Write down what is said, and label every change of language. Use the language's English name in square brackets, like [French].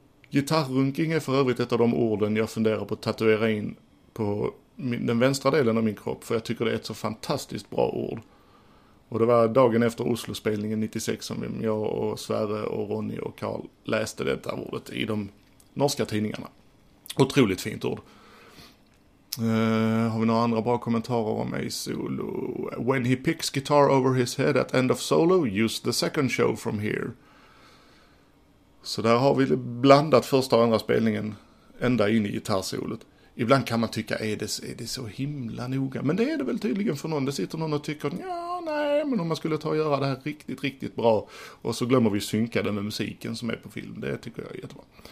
[Swedish] Gitarrrunking är för övrigt ett av de orden jag funderar på att tatuera in på den vänstra delen av min kropp, för jag tycker det är ett så fantastiskt bra ord. Och det var dagen efter Oslo-spelningen 96 som jag och Sverre och Ronny och Carl läste detta ordet i de norska tidningarna. Otroligt fint ord. Har vi några andra bra kommentarer om Ace solo? [English] When he picks guitar over his head at end of solo, use the second show from here. [Swedish] Så där har vi blandat första och andra spelningen ända in i gitarrsolet. Ibland kan man tycka, är det så himla noga? Men det är det väl tydligen för någon. Det sitter någon och tycker, ja, nej, men om man skulle ta och göra det här riktigt, riktigt bra. Och så glömmer vi synka det med musiken som är på film. Det tycker jag är jättebra.